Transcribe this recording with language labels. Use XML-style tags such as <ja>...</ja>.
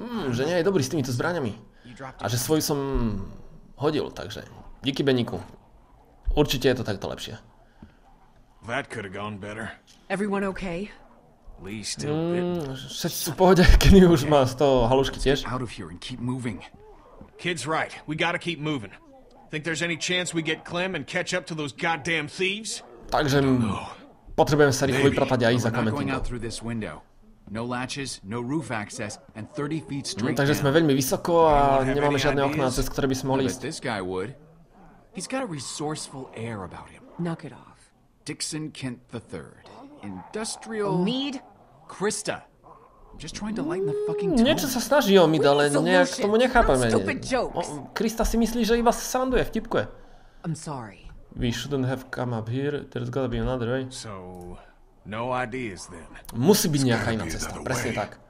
<sk>Že nie je dobrý s týmito zbraňami. A že svoj som hodil, takže. Díky, Benníku. Určite je to takto lepšie.</sk> <en>That could have gone better. Everyone okay? Lee still bit.</en> <sk>Všetci v pohode, Kenny už má z toho halušky tiež.</sk> <en>Out of here and keep moving. Kid's right. We gotta keep moving. Think there's any chance we get Clem and catch up to those goddamn thieves?</en> <sk>Takže potrebujeme sa rýchlo vypratať aj za</sk> <en>Clementine. No latches, no roof access and 30 feet straight.</en> <sk>No, takže sme veľmi vysoko a nemáme žiadne okná, cez ktoré by sme mohli ísť.</sk> <en>This guy would. He's got a resourceful air about him. Knock it off. Dixon Kent III. Industrial... Mead? Krista. I'm just trying to lighten the fucking tone.</en> <sk>Niečo sa snaží o Mead, ale nejak tomu nechápame. Krista si myslí, že iba sa sanduje, vtipkuje.</sk> <en>I'm sorry. We shouldn't have come up here. There's gotta be another way. So, no ideas then.</en> <sk>Musí byť nejaká iná cesta, presne tak.</sk>